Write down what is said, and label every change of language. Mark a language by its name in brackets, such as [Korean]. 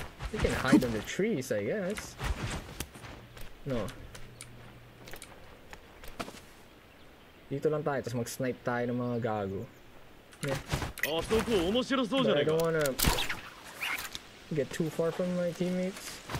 [English] We can hide on the trees, I guess. No. [Filipino] Dito lang tayo, tapos mag-snipe tayo ng mga gago. Yeah. [English] But I don't wanna get too far from my teammates.